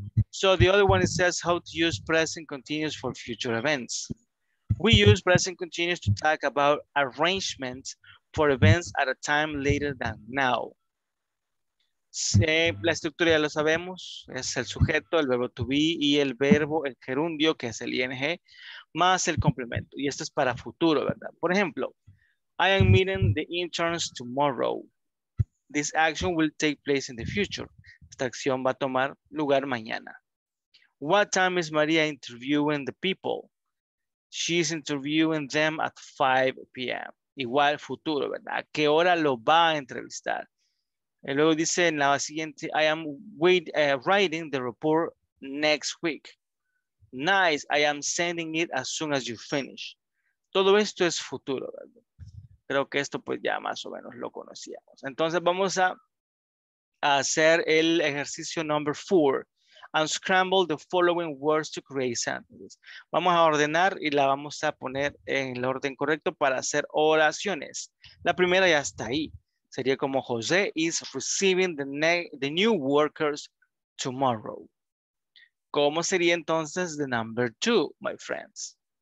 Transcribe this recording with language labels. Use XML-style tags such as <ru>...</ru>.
<en>So the other one, it says how to use present continuous for future events. We use present continuous to talk about arrangements for events at a time later than now.</en> <es>Sí, la estructura ya lo sabemos, es el sujeto, el verbo to be y el verbo, el gerundio, que es el ing, más el complemento. Y esto es para futuro, ¿verdad? Por ejemplo,</es> <en>I am meeting the interns tomorrow. This action will take place in the future.</en> <es>Esta acción va a tomar lugar mañana.</es> <en>What time is Maria interviewing the people? She's interviewing them at 5 p.m.</en> <es>Igual futuro, ¿verdad? ¿A qué hora lo va a entrevistar? Y luego dice en la siguiente,</es> <en>I am writing the report next week. Nice, I am sending it as soon as you finish.</en> <es>Todo esto es futuro, ¿verdad? Creo que esto pues ya más o menos lo conocíamos. Entonces vamos a hacer el ejercicio number 4.</es> <en>Unscramble the following words to create sentences.</en> <es>Vamos a ordenar y la vamos a poner en el orden correcto para hacer oraciones. La primera ya está ahí. Sería como</es> <en>José is receiving the new workers tomorrow.</en> <es>¿Cómo sería entonces</es> <en>the number 2, my friends?</en>